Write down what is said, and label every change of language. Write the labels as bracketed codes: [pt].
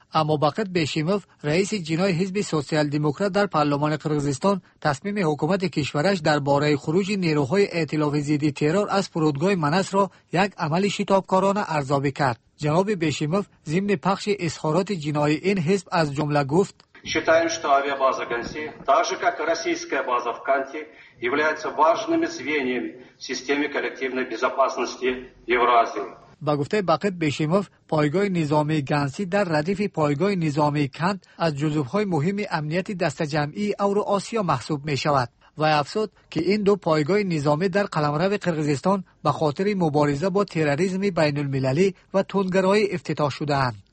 [fa] اما بقت بشیموف رئیس جنای حزب سوسیال دموکرات در پارلمان قرغیزستان تصمیم حکومت کشورش درباره خروج نیروهای ائتلاف ضد ترور از فرودگاه مناس را یک عمل شتابکارانه ارزیابی کرد. جناب بشیموف ضمن پخش اظهارات جنایی این حزب از جمله گفت: [ru] считаем, что авиабаза Ганси, так же как российская база в Канте, является важными звеньями в системе коллективной безопасности Евразии. [fa] با گفته بقید بشیموف، پایگاه نظامی گنسی در ردیف پایگاه نظامی کند از جزوه‌های مهم امنیت دست جمعی اورو آسیا محسوب می شود و افسود که این دو پایگاه نظامی در قلمرو قرغیزستان به خاطر مبارزه با تروریسم بین المللی و تندگرایی افتتاح شده اند.